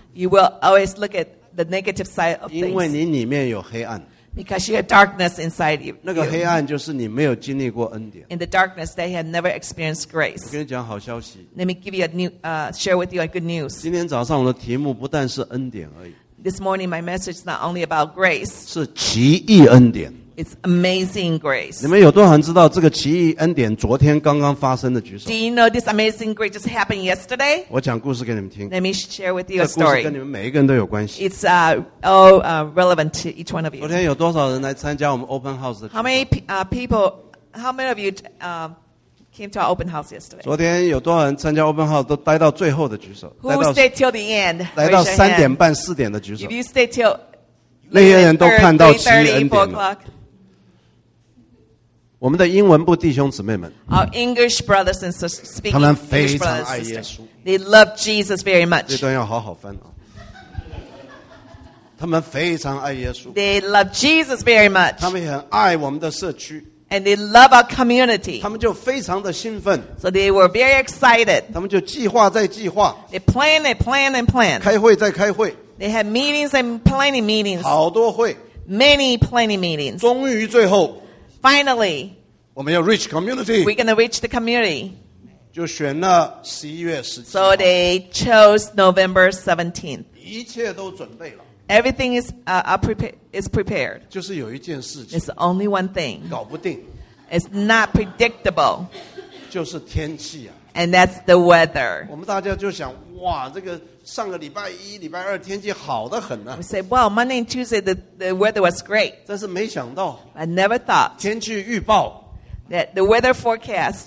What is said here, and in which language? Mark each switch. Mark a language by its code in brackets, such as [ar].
[en] You will always look at the negative side of things. [zh] 因为你里面有黑暗。 [en] Because you have darkness inside you. [zh] 那个黑暗就是你没有经历过恩典。 [en] In the darkness, they have never experienced grace. [zh] 我跟你讲好消息。 [en] Let me give you a new, share with you a good news. [zh] 今天早上我的题目不但是恩典而已。 [en] This morning, my message is not only about grace. [zh] 是奇异恩典。 [en] It's amazing grace. [zh] 你们有多少人知道这个奇异恩典昨天刚刚发生的举手 [en] ？Do you know this amazing grace just happened yesterday? [zh] 我讲故事给你们听。 [en] Let me share with you a story. [zh] 这故事跟你们每一个人都有关系。 [en] It's all relevant to each one of you. [zh] 昨天有多少人来参加我们 open house 的 [en] ？How many people? How many of you came to our open house yesterday? [zh] 昨天有多少人参加 open house 都待到最后的举手 [en] ？Who stayed till the end? [zh] 来到三点半、四点的举手。 [en] If you stay till [zh] 那些人都看到奇异恩典了。我们的英文部弟兄姊妹们 [en] Our English brothers and sisters, [zh] 他们非常爱耶稣 [en] They love Jesus very much [zh] 这段要好好翻、啊、他们非常爱耶稣 [en] They love Jesus very much [zh] 他们也很爱我们的社区 [en] And they love our community [zh] 他们就非常的兴奋 [en] So they were very excited [zh] 他们就计划再计划 [en] They plan and plan and plan [zh] 开会再开会 [en] They had meetings and planning meetings [zh] 好多会 [en] Many planning meetings [zh] 终于最后 [en] Finally, we're going to reach the community. [zh] 就选了11月17号。 [en] So they chose November 17th. [zh] 一切都准备了。 [en] Everything is prepared. [zh] 就是有一件事情。 [en] It's only one thing. [zh] 搞不定。 [en] It's not predictable. [zh] 就是天气啊。 [en] And that's the weather. [zh] 我们大家就想，哇，这个上个礼拜一、礼拜二天气好得很呢。 [en] We say, "Wow, Monday and Tuesday, the weather was great." [zh] 但是没想到 [en] ，I never thought [zh] 天气预报 [en] that the weather forecast